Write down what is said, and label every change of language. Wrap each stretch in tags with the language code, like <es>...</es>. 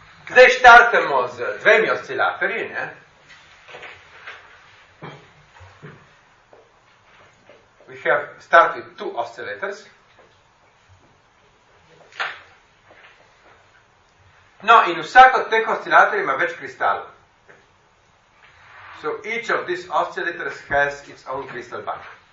<sl>Zdaj štartamo z dvemi oscilatorji, ne?</sl> <en>We have started two oscillators.</en> <sl>No, in vsak od teh oscilatorjev ima več kristalov.</sl> <en>So each of these oscillators has its own crystal bank.</en>